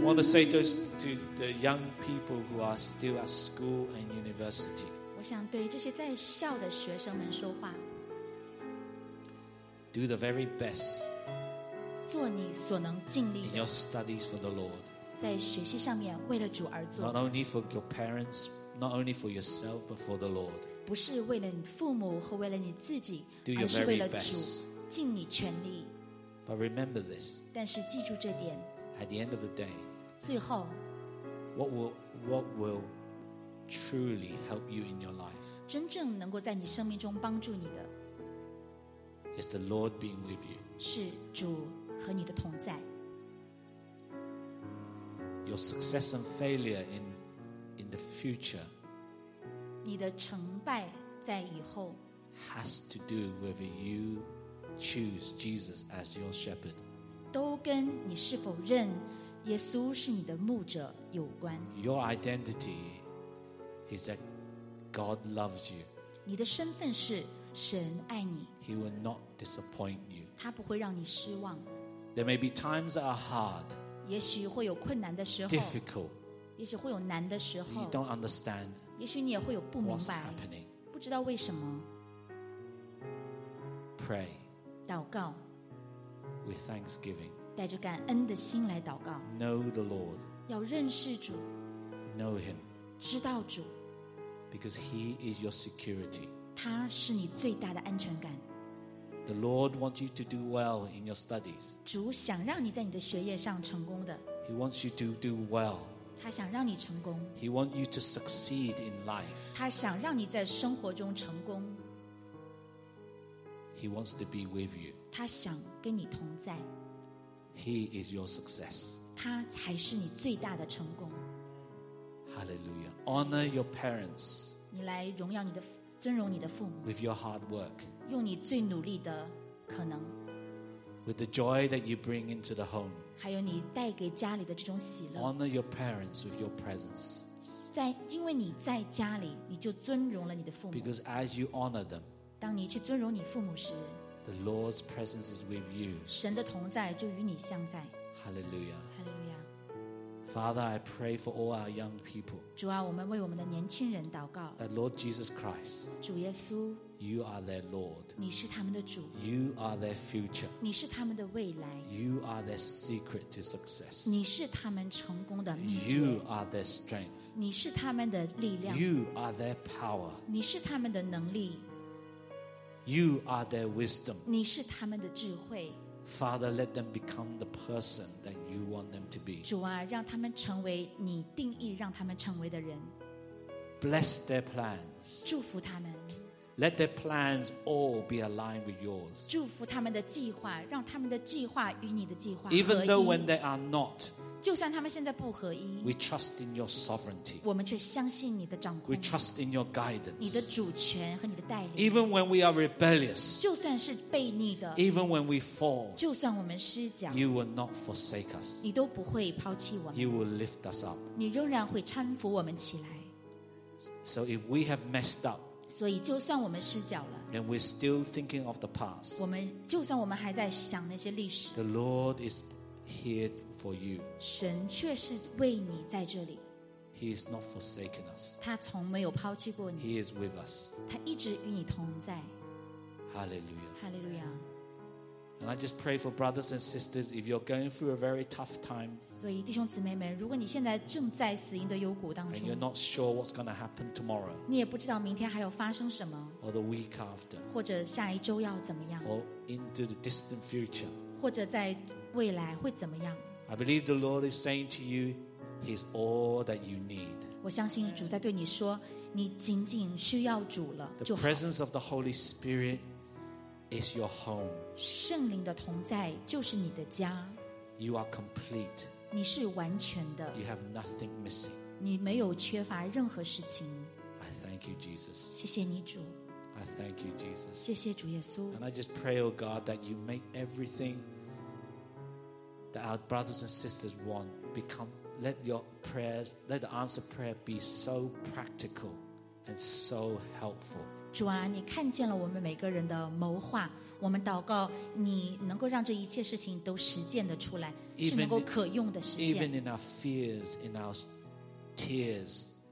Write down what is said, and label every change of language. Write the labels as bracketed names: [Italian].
[English] I want to say those, to the young people who are still at school and university. [Chinese] 我想对这些在校的学生们说话。 [English] Do the very best. [Chinese] 做你所能尽力的。 [English] In your studies for the Lord. [Chinese] 在学习上面为了主而做。 [English] Not only for your parents, not only for yourself, but for the Lord. [Chinese] 不是为了你父母和为了你自己，而是为了主，尽你全力。 [English] But remember this. [Chinese] 但是记住这点。 [English] At the end of the day. [Chinese] 最后。 [English] What will truly help you in your life? [Chinese] 真正能够在你生命中帮助你的。 [English] Is the Lord being with you? [Chinese] 是主和你的同在。 [English] Your success and failure in the future. [Chinese] 你的成败在以后。 [English] Has to do whether you choose Jesus as your shepherd. [Chinese] 都跟你是否认耶稣是你的牧者有关。 [English] Your identity is that God loves you. [Chinese] 你的身份是神爱你。 [English] He will not disappoint you. [Chinese] 他不会让你失望。 [English] There may be times that are hard. [Chinese] 也许会有困难的时候。 [English] Difficult. [Chinese] 也许会有难的时候。 [English] You don't understand. [Chinese] 也许你也会有不明白。 [English] What's happening? [Chinese] 不知道为什么。 [English] Pray. [Chinese] 祷告。 [English] With thanksgiving. [Chinese] 带着感恩的心来祷告。 [English] Know the Lord. [Chinese] 要认识主。 [English] Know Him. [Chinese] 知道主。 [English] Because He is your security. [Chinese] 他是你最大的安全感。 [English] The Lord wants you to do well in your studies. [Chinese] 主想让你在你的学业上成功的。 [English] He wants you to do well. [Chinese] 他想让你成功。 [English] He wants you to succeed in life. [Chinese] 他想让你在生活中成功。 [English] He wants to be with you. [Chinese] 他想跟你同在。 [English] He is your success. [Chinese] 他才是你最大的成功。 [English] Hallelujah. Honor your parents. [Chinese] 你来荣耀你的尊荣你的父母。 [English] With your hard work, [Chinese] 用你最努力的可能。 [English] With the joy that you bring into the home, [Chinese] 还有你带给家里的这种喜乐。 [English] Honor your parents with your presence. [Chinese] 在因为你在家里，你就尊荣了你的父母。 [English] Because as you honor them, [Chinese] 当你去尊荣你父母时 [English] ，the Lord's presence is with you. [Chinese] 神的同在就与你相在。 [English] Hallelujah. Hallelujah. Father, I pray for all our young people. [Chinese] 主啊，我们为我们的年轻人祷告。 [English] That Lord Jesus Christ, [Chinese] 主耶稣， [English] You are their Lord. [Chinese] 你是他们的主。 [English] You are their future. [Chinese] 你是他们的未来。 [English] You are their secret to success. [Chinese] 你是他们成功的秘诀。 [English] You are their strength. [Chinese] 你是他们的力量。 [English] You are their power. [Chinese] 你是他们的能力。 [English] You are their wisdom. [Chinese] 你是他们的智慧。 [English] Father, let them become the person that you want them to be. [Chinese] 主啊，让他们成为你定义让他们成为的人。 [English] Bless their plans. [Chinese] 祝福他们。 [English] Let their plans all be aligned with yours. [Chinese] 祝福他们的计划，让他们的计划与你的计划合一。 [English] Even though when they are not, [Chinese] 就算他们现在不合一。 [English] We trust in your sovereignty. [Chinese] 我们却相信你的掌控。 [English] We trust in your guidance. [Chinese] 你的主权和你的带领。 [English] Even when we are rebellious, [Chinese] 就算是悖逆的。 [English] Even when we fall, [Chinese] 就算我们失脚。 [English] You will not forsake us. [Chinese] 你都不会抛弃我们。 [English] You will lift us up. [Chinese] 你仍然会搀扶我们起来。 [English] So if we have messed up, [Chinese] 所以就算我们失脚了， [English] and we're still thinking of the past, [Chinese] 我们就算我们还在想那些历史， [English] the Lord is here for you. [Chinese] 神却是为你在这里。 [English] He is not forsaken us. [Chinese] 他从没有抛弃过你。 [English] He is with us. [Chinese] 他一直与你同在。 [English] Hallelujah. Hallelujah. And I just pray for brothers and sisters, if you're going through a very tough time, [Chinese] 所以弟兄姊妹们，如果你现在正在死荫的幽谷当中， [English] and you're not sure what's going to happen tomorrow, [Chinese] 你也不知道明天还要发生什么， [English] or the week after, [Chinese] 或者下一周要怎么样， [English] or into the distant future, [Chinese] 或者在未来会怎么样， [English] I believe the Lord is saying to you, He's all that you need. [Chinese] 我相信主在对你说，你仅仅需要主了就好。 [English] The presence of the Holy Spirit is your home. [Chinese] 圣灵的同在就是你的家。 [English] You are complete. [Chinese] 你是完全的。 [English] You have nothing missing. [Chinese] 你没有缺乏任何事情。 [English] I thank you, Jesus. [Chinese] 谢谢你主。 [English] I thank you, Jesus. [Chinese] 谢谢主耶稣。 [English] And I just pray, O God, that you make everything that our brothers and sisters want become. Let your prayers, let the answer prayer be so practical and so helpful. [Chinese] 主啊，你看见了我们每个人的谋划，我们祷告你能够让这一切事情都实践的出来，是能够可用的实践。 [English] Even in our fears, in our tears,